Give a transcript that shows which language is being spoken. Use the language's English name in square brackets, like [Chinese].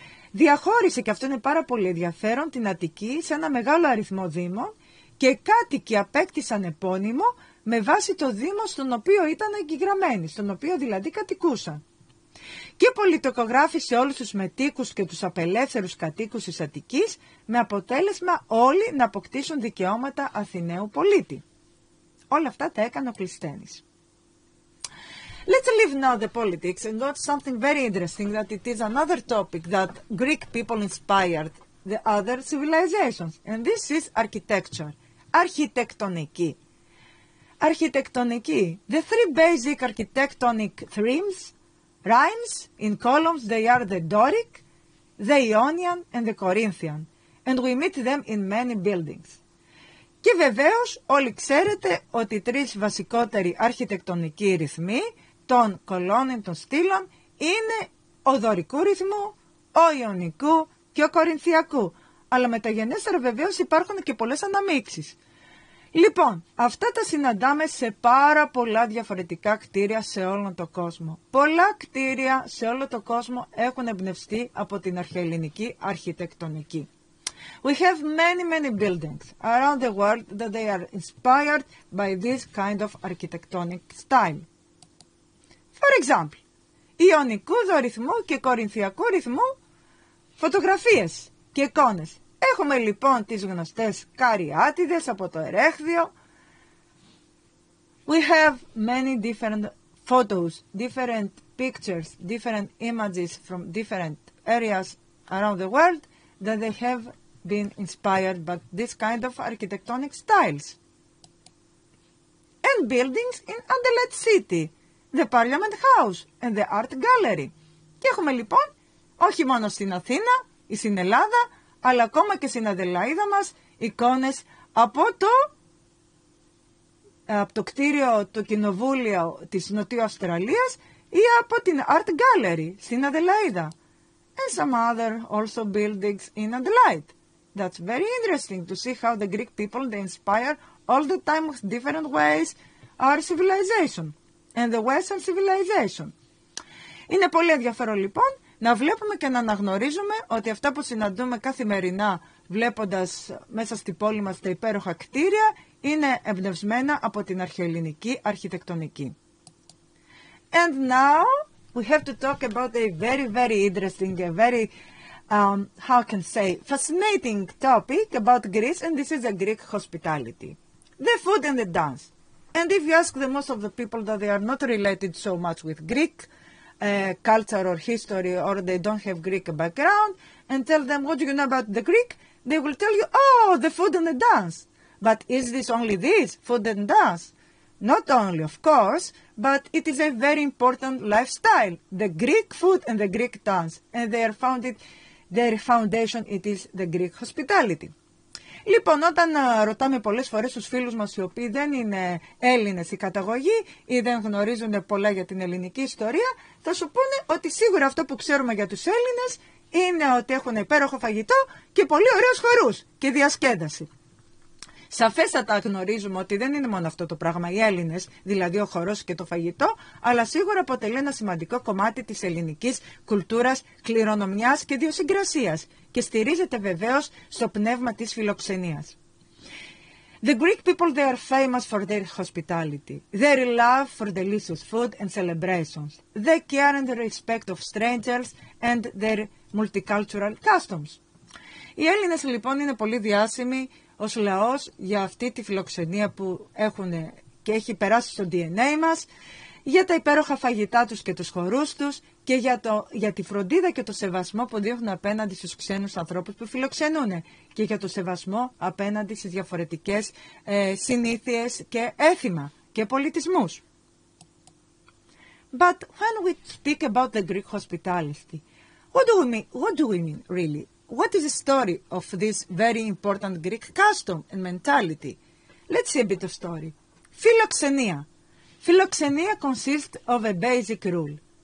[Greek] Διαχώρισε, και αυτό είναι πάρα πολύ ενδιαφέρον, την Αττική σε ένα μεγάλο αριθμό δήμων και κάτοικοι απέκτησαν επώνυμο με βάση το δήμο στον οποίο ήταν εγγεγραμμένοι, στον οποίο δηλαδή κατοικούσαν. Και πολιτικογράφησε όλους τους μετοίκους και τους απελεύθερους κατοίκους της Αττικής με αποτέλεσμα όλοι να αποκτήσουν δικαιώματα Αθηναίου πολίτη. Όλα αυτά τα έκανε ο Κλεισθένης. [English] Let's leave now the politics and watch something very interesting, that it is another topic that Greek people inspired the other civilizations. And this is architecture. Αρχιτεκτονική. Αρχιτεκτονική. The three basic architectonic themes, rhymes in columns, they are the Doric, the Ionian and the Corinthian. And we meet them in many buildings. [Greek] Και βεβαίως όλοι ξέρετε ότι οι τρεις βασικότεροι αρχιτεκτονικοί ρυθμοί των κολόνων, των στήλων, είναι ο δωρικού ρυθμού, ο ιωνικού και ο κορινθιακού. Αλλά μεταγενέστερα βεβαίως υπάρχουν και πολλές αναμίξεις. Λοιπόν, αυτά τα συναντάμε σε πάρα πολλά διαφορετικά κτίρια σε όλο τον κόσμο. Πολλά κτίρια σε όλο τον κόσμο έχουν εμπνευστεί από την αρχαιοελληνική αρχιτεκτονική. [English] We have many, many buildings around the world that they are inspired by this kind of architectonic style. For example, [Greek] ιωνικού δωρυθμού και κορινθιακού ρυθμού φωτογραφίες και εικόνες. Έχουμε λοιπόν τις γνωστές καριάτιδες από το Ερέχδιο. [English] We have many different photos, different pictures, different images from different areas around the world that they have been inspired by this kind of architectonic styles. And buildings in Adelaide City. The Parliament House and the Art Gallery. [Greek] Και έχουμε λοιπόν, όχι μόνο στην Αθήνα ή στην Ελλάδα, αλλά ακόμα και στην Αδελαίδα μας, εικόνες από το κτίριο, το κοινοβούλιο της Νοτιού Αυστραλίας ή από την Art Gallery στην Αδελαίδα. [English] And some other also buildings in Adelaide. That's very interesting to see how the Greek people, they inspire all the time with different ways our civilization. And the Western civilization. [Greek] Είναι πολύ ενδιαφέρον λοιπόν να βλέπουμε και να αναγνωρίζουμε ότι αυτά που συναντούμε καθημερινά βλέποντας μέσα στην πόλη μας τα υπέροχα κτίρια είναι εμπνευσμένα από την αρχαιοελληνική αρχιτεκτονική. [English] And now we have to talk about a very, very interesting, a very, how can I say, fascinating topic about Greece, and this is a Greek hospitality. The food and the dance. And if you ask the most of the people that they are not related so much with Greek culture or history, or they don't have Greek background, and tell them, what do you know about the Greek? They will tell you, oh, the food and the dance. But is this only this, food and dance? Not only, of course, but it is a very important lifestyle, the Greek food and the Greek dance. And they are founded, their foundation, it is the Greek hospitality. [Greek] Λοιπόν, όταν ρωτάμε πολλές φορές τους φίλους μας οι οποίοι δεν είναι Έλληνες η καταγωγή ή δεν γνωρίζουν πολλά για την ελληνική ιστορία, θα σου πούνε ότι σίγουρα αυτό που ξέρουμε για τους Έλληνες είναι ότι έχουν υπέροχο φαγητό και πολύ ωραίους χορούς και διασκέδαση. Σαφέστατα γνωρίζουμε ότι δεν είναι μόνο αυτό το πράγμα οι Έλληνες, δηλαδή ο χορός και το φαγητό, αλλά σίγουρα αποτελεί ένα σημαντικό κομμάτι της ελληνικής κουλτούρας, κληρονομιάς και ιδιοσυγκρασίας και στηρίζεται βεβαίως στο πνεύμα της φιλοξενίας. [English] The Greek people, they are famous for their hospitality, their love for delicious food and celebrations, the care and the respect of strangers and their multicultural customs. [Greek] Οι Έλληνες λοιπόν είναι πολύ διάσημοι ως λαός για αυτή τη φιλοξενία που έχουν και έχει περάσει στο DNA μας, για τα υπέροχα φαγητά τους και τους χορούς τους και για τη φροντίδα και το σεβασμό που δείχνουν απέναντι στους ξένους ανθρώπους που φιλοξενούν και για το σεβασμό απέναντι στις διαφορετικές συνήθειες και έθιμα και πολιτισμούς. [English] But when we speak about the Greek hospitality, what do we mean really? What is the story of this very important Greek custom and mentality? Let's see a bit of story. Philoxenia. Philoxenia consists of a basic rule.